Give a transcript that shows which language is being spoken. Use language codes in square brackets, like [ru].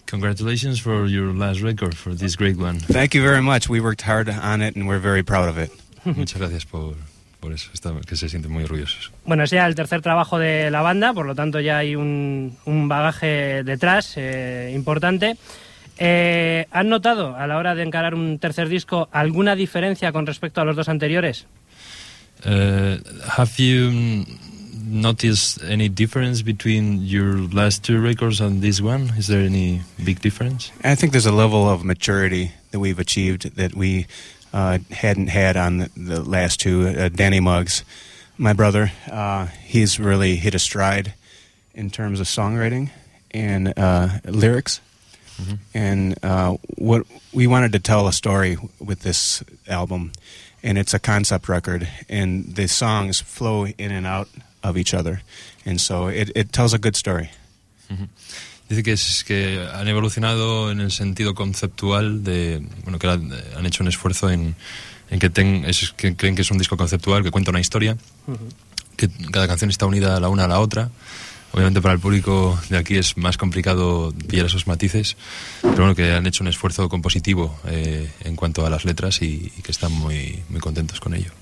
[en] Congratulations for your last record, for this great one. Thank you very much. We worked hard on it and we're very proud of it. [es] Muchas gracias por eso, que se sienten muy orgullosos. Bueno, es ya el tercer trabajo de la banda, por lo tanto ya hay un bagaje detrás importante. ¿Han notado a la hora de encarar un tercer disco alguna diferencia con respecto a los dos anteriores? [en] Have you noticed any difference between your last two records and this one? Is there any big difference? I think there's a level of maturity that we've achieved that we hadn't had on the last two. Danny Muggs, my brother, he's really hit a stride in terms of songwriting and lyrics. Mm-hmm. And what we wanted to tell a story with this album, and it's a concept record, and the songs flow in and out of each other, and so it tells a good story. Mm-hmm. [es] Dice que han evolucionado en el sentido conceptual de, bueno, que han hecho un esfuerzo en que, que creen que es un disco conceptual, que cuenta una historia, que cada canción está unida la una a la otra. Obviamente para el público de aquí es más complicado pillar esos matices, pero bueno, que han hecho un esfuerzo compositivo en cuanto a las letras y que están muy, muy contentos con ello.